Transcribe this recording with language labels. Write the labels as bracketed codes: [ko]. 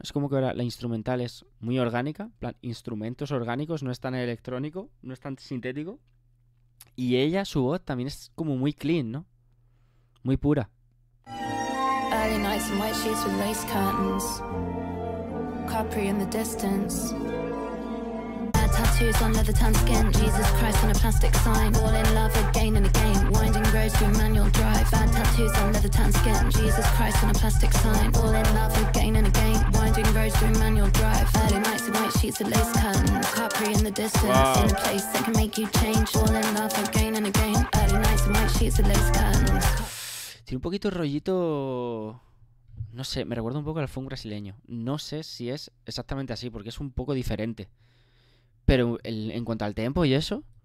[es] Es como que ahora la instrumental es muy orgánica, en plan, instrumentos orgánicos, no es tan electrónico, no es tan sintético. Y ella, su voz, también es como muy clean, ¿no? Muy pura. [en] Early nights in white sheets with lace curtains. Capri in the distance. Bad tattoos on leather tan skin, Jesus Christ on a plastic sign. All in love again and again, winding roads through manual drive. Bad tattoos on leather tan skin, Jesus Christ on a plastic sign. All in love again and again, winding roads through manual drive. Early nights in white sheets with lace curtains. Capri in the distance, wow. In a place that can make you change. All in love again and again, early nights in white sheets with lace curtains. [es] Tiene un poquito rollito, no sé, me recuerda un poco al funk brasileño. No sé si es exactamente así, porque es un poco diferente. Pero en cuanto al tempo y eso.